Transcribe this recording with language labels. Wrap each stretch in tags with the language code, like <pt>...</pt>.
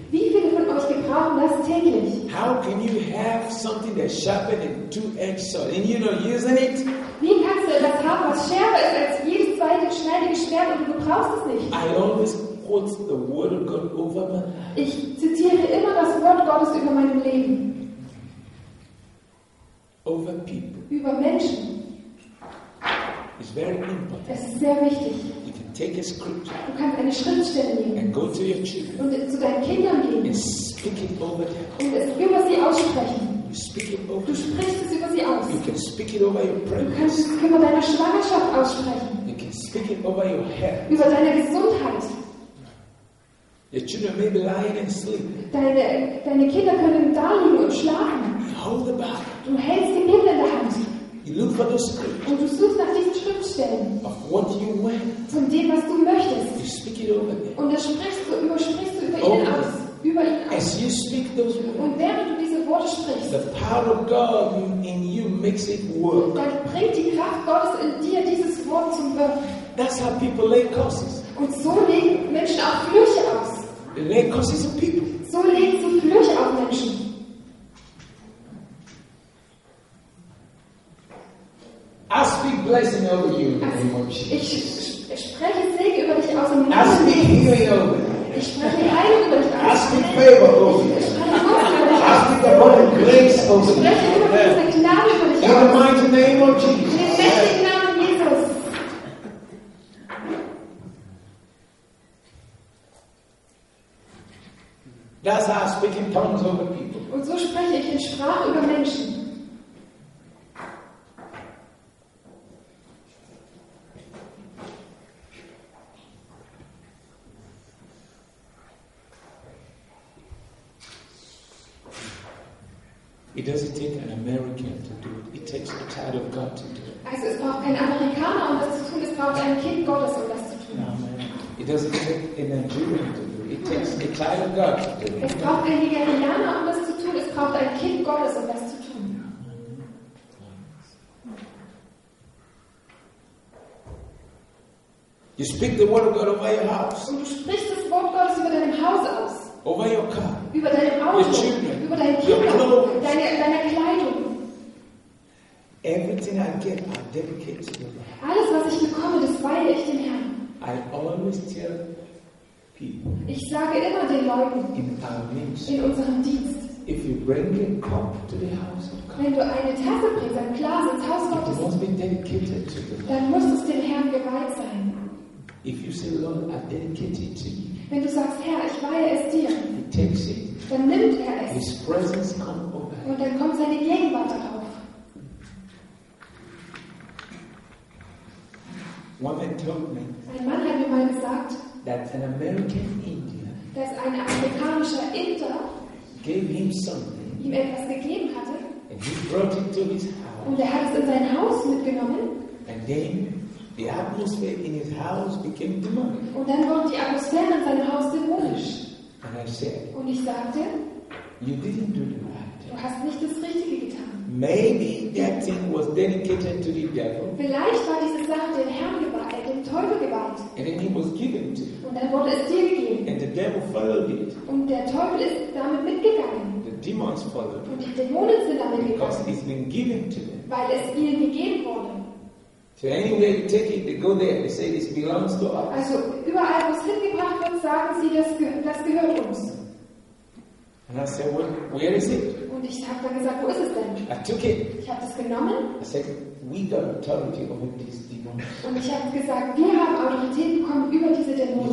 <de>Wie viele von euch gebrauchen das täglich?</de> <en>How can you have something that's sharper than a two-edged sword and you're not using it?</en> <de>Wie kannst du etwas haben, was schärfer ist als jedes zweite schneidige Schwert und du brauchst es nicht?</de> <en>I always quote the word of God over my life.</en> <de>Ich zitiere immer das Wort Gottes über meinem Leben.</de> <en>Over people.</en> <de>Über Menschen.</de> <en>It's very important.</en> <de>Es ist sehr wichtig.</de> <en>You can take a scripture.</en> <de>Du kannst eine Schriftstelle nehmen.</de> <en>And go to your children.</en> <de>Und zu deinen Kindern gehen.</de> <en>And speak it over them.</en> <de>Und es über sie aussprechen.</de> <en>You speak it over</en> <de>du sprichst es über sie aus.</de> <en>You can speak it over your pregnancy.</en> <de>Du kannst es über deine Schwangerschaft aussprechen.</de> <en>You can speak it over your health.</en> <de>Über deine Gesundheit.</de> <en>Your children may be lying and sleeping.</en> <de>Deine Kinder können da liegen und schlafen.</de> <en>You hold the Bible.</en> <de>Du hältst die Bibel in der Hand.</de> <en>You look for the script.</en> <de>Und du suchst nach diesen Schriftstellen.</de> <en>Of what you want.</en> <de>Von dem, was du möchtest.</de> <en>You speak it over them.</en> <de>Und das sprichst du über ihn aus. Über ihn aus.</de> <en>As you speak those words.</en> <de>Und während du diese Worte sprichst.</de> <en>The power of God in you makes it work.</en> <de>Dann bringt die Kraft Gottes in dir dieses Wort zum Wirken.</de> <en>That's how people lay curses.</en> <de>Und so legen Menschen auch Flüche aus.</de> <en>They lay curses on people.</en> <de>So legen sie Flüche auf Menschen.</de> <en>I speak blessing over you in the name of Jesus.</en> <de>Ich spreche Segen über dich aus dem Namen.</de> <en>I speak healing over you.</en> <de>Ich spreche Heilung über dich aus.</de> <en>I speak favor over you. I speak abundant grace over you.</en> <de>Ich spreche über diese Gnade über dich aus.</de> <en>In the mighty name of Jesus.</en> <de>In dem mächtigen Namen Jesus.</de> <en>That's how I speak in tongues over people.</en> <de>Und so spreche ich in Sprache über Menschen.</de> <en>It doesn't take an American to do it. It takes the child of God to do it.</en> <de>Also, es braucht kein Amerikaner, um das zu tun. Es braucht ein Kind Gottes, um das zu tun.</de> <en>Amen. It doesn't take a Nigerian to do it. It takes the child of God to do it.</en> <de>Es braucht kein Nigerianer, um das zu tun. Es braucht ein Kind Gottes, um das zu tun.</de> <en>You speak the word of God over your house.</en> <de>Und du sprichst das Wort Gottes über deinem Haus aus.</de> <en>Over your car.</en> <de>Über deinem Auto.</de> <en>Your children.</en> <de>Über deine Kinder. Deine Kleidung.</de> <en>Everything I get, I dedicate to the Lord.</en> <de>Alles, was ich bekomme, das weihe ich dem Herrn.</de> <en>I always tell people.</en> <de>Ich sage immer den Leuten.</de> <en>In our means.</en> <de>In unserem Dienst.</de> <en>If you bring a cup to the house of God.</en> <de>Wenn du eine Tasse bringst, ein Glas ins Haus Gottes.</de> <en>It must be dedicated to the Lord.</en> <de>Dann muss es dem Herrn geweiht sein.</de> <en>If you say, Lord, I dedicate it to you.</en> <de>Wenn du sagst, Herr, ich weihe es dir.</de> <en>He takes it.</en> <de>Dann nimmt er es.</de> <en>His presence comes over.</en> <de>Und dann kommt seine Gegenwart darauf.</de> <en>One man told me,</en> <de>ein Mann hat mir mal gesagt,</de> <en>that an American Indian,</en> <de>dass ein amerikanischer Inder</de> <en>gave him something,</en> <de>ihm etwas gegeben hatte,</de> <en>and he brought it to his house,</en> <de>und er hat es in sein Haus mitgenommen,</de> <en>and then the atmosphere in his house became demonic.</en> <de>Und dann wurde die Atmosphäre in seinem Haus dämonisch.</de> <en>And I said,</en> <de>und ich sagte,</de> <en>you didn't do the right.</en> <de>Du hast nicht das Richtige getan.</de> <en>Maybe that thing was dedicated to the devil.</en> <de>Vielleicht war diese Sache dem Herrn geweiht, dem Teufel geweiht.</de> <en>And then it was given to him.</en> <de>Und dann wurde es dir gegeben.</de> <en>And the devil followed it.</en> <de>Und der Teufel ist damit mitgegangen.</de> <en>The demons followed.</en> <de>Und die Dämonen sind damit</de> <en>because</en> <de>gegangen.</de> <en>It's been given to them.</en> <de>Weil es ihnen gegeben wurde.</de> <en>So anywhere you take it, they go there. They say this belongs to us.</en> <de>Also überall, wo es hingebracht wird, sagen sie, das gehört uns.</de> <en>And I said, well, where is it?</en> <de>Und ich habe dann gesagt, wo ist es denn?</de> <en>I took it.</en> <de>Ich habe das genommen.</de> <en>I said, we got authority over these demons.</en> <de>Und ich habe gesagt, wir haben Autorität bekommen über diese Dämonen.</de>